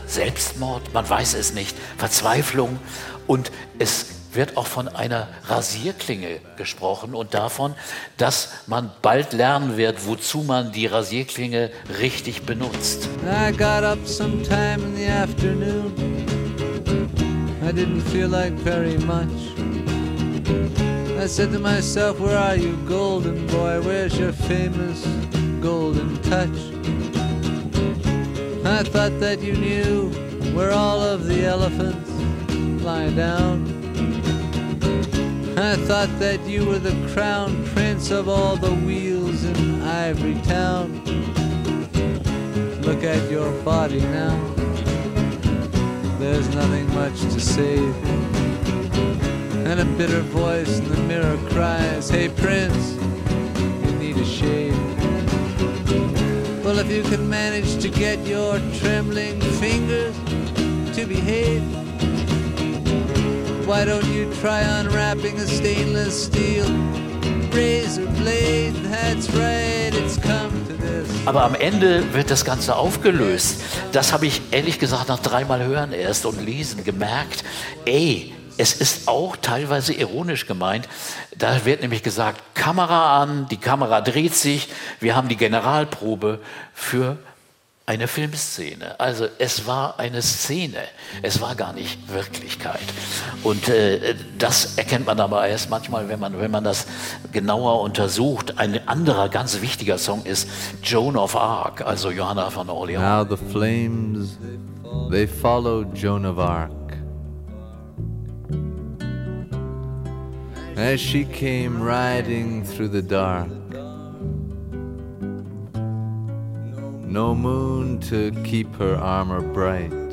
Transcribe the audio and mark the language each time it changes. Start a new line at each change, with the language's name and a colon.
German: Selbstmord, man weiß es nicht, Verzweiflung. Und es wird auch von einer Rasierklinge gesprochen und davon, dass man bald lernen wird, wozu man die Rasierklinge richtig benutzt.
English: I got up sometime in the afternoon. I didn't feel like very much. I said to myself, where are you, golden boy? Where's your famous golden touch? I thought that you knew where all of the elephants lie down. I thought that you were the crown prince of all the wheels in Ivory Town. Look at your body now. There's nothing much to save. And a bitter voice in the mirror cries, hey prince, you need a shave. Well, if you can manage to get your trembling fingers to behave, why don't you try unwrapping a stainless steel razor blade? That's right, it's come to this.
German: Aber am Ende wird das Ganze aufgelöst. Das habe ich ehrlich gesagt nach dreimal Hören erst und Lesen gemerkt. Ey, es ist auch teilweise ironisch gemeint. Da wird nämlich gesagt, Kamera an, die Kamera dreht sich. Wir haben die Generalprobe für eine Filmszene. Also es war eine Szene, es war gar nicht Wirklichkeit. Und das erkennt man aber erst manchmal, wenn man das genauer untersucht. Ein anderer ganz wichtiger Song ist Joan of Arc, also Johanna von Orleans.
English: Now the flames, they follow Joan of Arc. As she came riding through the dark. No moon to keep her armor bright.